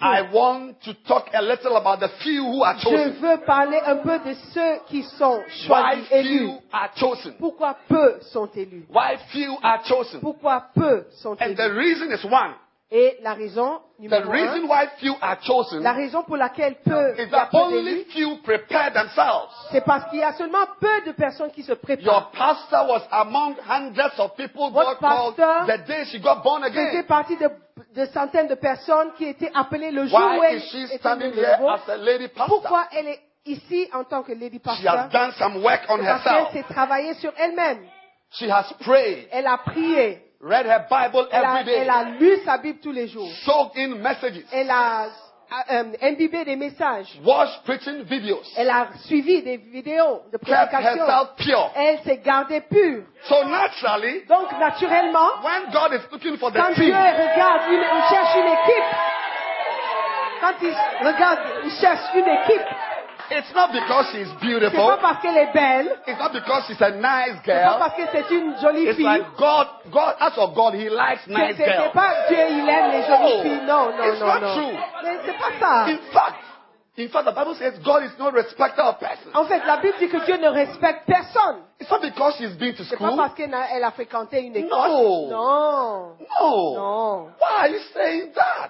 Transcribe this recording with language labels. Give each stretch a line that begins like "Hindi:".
English: I want to talk a little about the few who are chosen.
French: Je veux parler un peu de ceux qui sont choisis,
English: why few
French: élus.
English: Are chosen.
French: Pourquoi peu sont élus?
English: Why few are chosen?
French: Pourquoi peu sont
English: and
French: élus?
English: And the reason is one.
French: Et la raison
English: the reason
French: un,
English: why few are chosen,
French: la raison pour laquelle peu
English: is that only few prepare themselves.
French: C'est parce qu'il y a seulement peu de personnes qui se préparent.
English: Your pastor was among hundreds of people God called the day she got born again.
French: Faisait partie de centaines de personnes qui étaient appelées le jour
English: why
French: où elle
English: is she standing here as a lady pastor?
French: Pourquoi elle est ici en tant que
English: lady pastor? She has done some work on
French: parce
English: herself.
French: Qu'elle s'est travaillée sur elle-même.
English: She has prayed.
French: Elle a prié.
English: Read her Bible
French: elle a,
English: every day.
French: Elle a lu sa Bible tous les jours.
English: Soaked in messages.
French: Elle a imbibé des messages.
English: Watched preaching videos.
French: Elle a suivi des vidéos de prédication.
English: Kept herself pure.
French: Elle s'est gardée pure.
English: So naturally,
French: donc naturellement,
English: when God is looking for the
French: quand
English: team,
French: Dieu regarde, il cherche une équipe. Quand il regarde, il cherche une équipe.
English: It's not because she's beautiful.
French: C'est pas parce qu'elle est belle.
English: It's not because she's a nice girl.
French: C'est pas parce que c'est une jolie fille.
English: It's like God, as for God, he likes nice
French: c'est
English: girls.
French: C'est pas Dieu, il aime les jolies filles. Non.
English: It's not true.
French: Mais c'est pas ça.
English: In fact, the Bible says God is no respecter of persons.
French: En fait, la Bible dit que Dieu ne respecte personne.
English: It's not because she's been to school.
French: C'est pas parce qu'elle a fréquenté une école.
English: No. Why are you saying that?